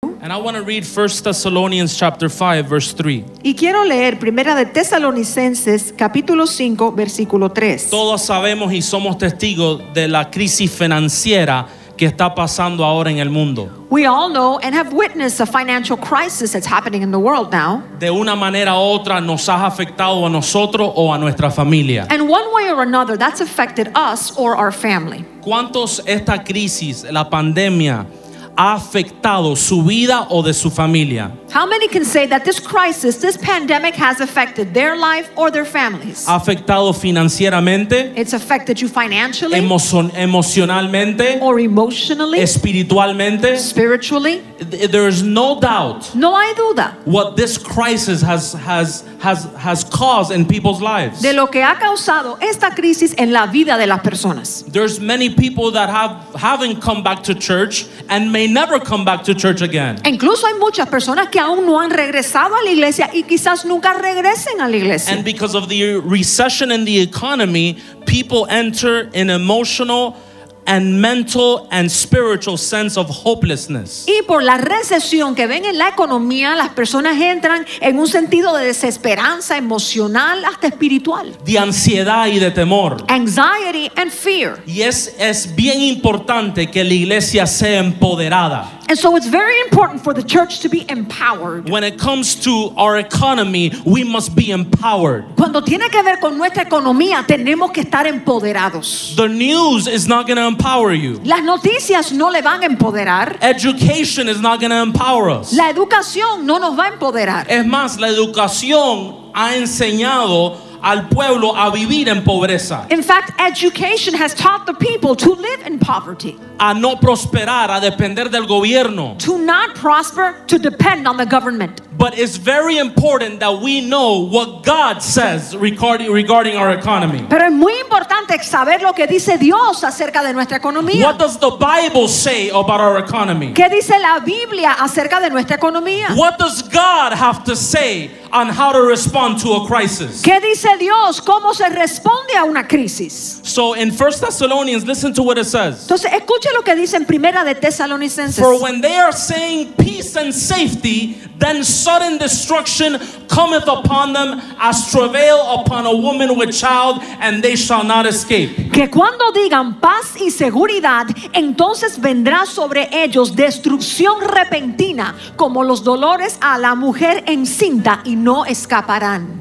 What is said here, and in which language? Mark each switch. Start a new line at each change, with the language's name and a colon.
English: And I want to read 1 Thessalonians chapter 5 verse 3.
Spanish: Y quiero leer Primera de Tesalonicenses capítulo 5 versículo 3. Todos sabemos y somos testigos de la crisis financiera que está pasando ahora en el mundo.
English: We all know and have witnessed a financial crisis that's happening in the world now.
Spanish: De una manera u otra nos ha afectado a nosotros o a nuestra familia.
English: And one way or another that's affected us or our family.
Spanish: ¿Cuántos esta crisis, la pandemia, ha afectado su vida o de su familia?
English: How many can say that this crisis, this pandemic has affected their life or their families?
Spanish: ¿Ha afectado financieramente?
English: It's affected you financially?
Spanish: Emocionalmente?
English: Or emotionally?
Spanish: Espiritualmente?
English: Spiritually? There is no doubt.
Spanish: No hay duda.
English: What this crisis has caused in people's lives.
Spanish: De lo que ha causado esta crisis en la vida de las personas.
English: There's many people that haven't come back to church and may never come back to church again.
Spanish: Incluso hay muchas personas que aún no han regresado a la iglesia y quizás nunca regresen a la iglesia.
English: And because of the recession in the economy, people enter an emotional and mental and spiritual sense of hopelessness.
Spanish: Y por la recesión que ven en la economía, las personas entran en un sentido de desesperanza emocional hasta espiritual. De ansiedad y de temor.
English: Anxiety and fear.
Spanish: Y es bien importante que la iglesia sea empoderada.
English: And so it's very important for the church to be empowered. When it comes to our economy, we must be empowered.
Spanish: Cuando tiene que ver con nuestra economía, tenemos que estar empoderados.
English: The news is not going to empower you.
Spanish: Las noticias no le van a empoderar.
English: Education is not going to empower us.
Spanish: La educación no nos va a empoderar. Es más, la educación ha enseñado al pueblo a vivir en pobreza.
English: In fact, education has taught the people to live in poverty.
Spanish: A no prosperar, a depender del gobierno.
English: To not prosper, to depend on the government. But it's very important that we know what God says regarding our economy.
Spanish: Pero es muy importante saber lo que dice Dios acerca de nuestra economía.
English: What does the Bible say about our economy?
Spanish: ¿Qué dice la Biblia acerca de nuestra economía?
English: What does God have to say on how to respond to a crisis?
Spanish: ¿Qué dice Dios cómo se responde a una crisis?
English: So in 1 Thessalonians, listen to what it says.
Spanish: Entonces escuche lo que dice en Primera de Tesalonicenses.
English: For when they are saying peace and safety, then sudden destruction cometh upon them as travail upon a woman with child, and they shall not escape.
Spanish: Que cuando digan paz y seguridad, entonces vendrá sobre ellos destrucción repentina, como los dolores a la mujer encinta, y no escaparán.